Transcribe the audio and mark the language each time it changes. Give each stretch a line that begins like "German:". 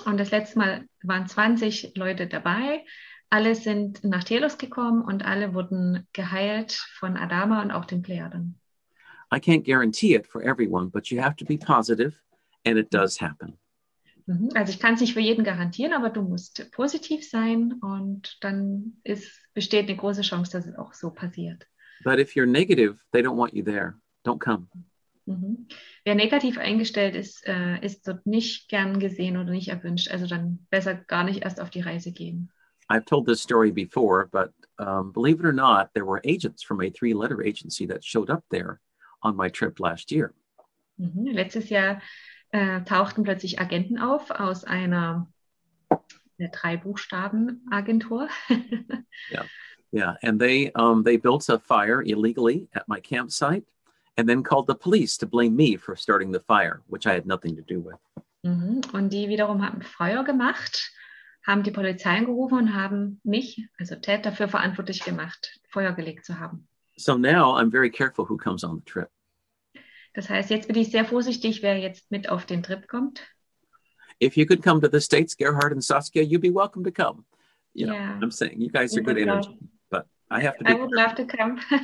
German: Und das letzte Mal waren 20 Leute dabei. Alle sind nach Telos gekommen und alle wurden geheilt von Adama und auch den Plejaden.
English: I can't guarantee it for everyone, but you have to be positive and it does happen.
German: Also ich kann es nicht für jeden garantieren, aber du musst positiv sein und dann besteht eine große Chance, dass es auch so passiert.
English: But if you're negative, they don't want you there. Don't come.
German: Wer negativ eingestellt ist, ist dort nicht gern gesehen oder nicht erwünscht. Also dann besser gar nicht erst auf die Reise gehen.
English: I've told this story before, but believe it or not, there were agents from a 3-letter agency that showed up there on my trip last year.
German: Letztes Jahr tauchten plötzlich Agenten auf aus einer 3-Buchstaben-Agentur.
English: Yeah, and they built a fire illegally at my campsite and then called the police to blame me for starting the fire, which I had nothing to do with.
German: Und die wiederum haben Feuer gemacht, haben die Polizei angerufen und haben mich, also Ted, dafür verantwortlich gemacht, Feuer gelegt zu haben.
English: So now I'm very careful who comes on the trip.
German: Das heißt, jetzt bin ich sehr vorsichtig, wer jetzt mit auf den Trip kommt.
English: If you could come to the States, Gerhard and Saskia, you'd be welcome to come. I'm saying, you guys are good energy, but I have to be careful. I would love to come.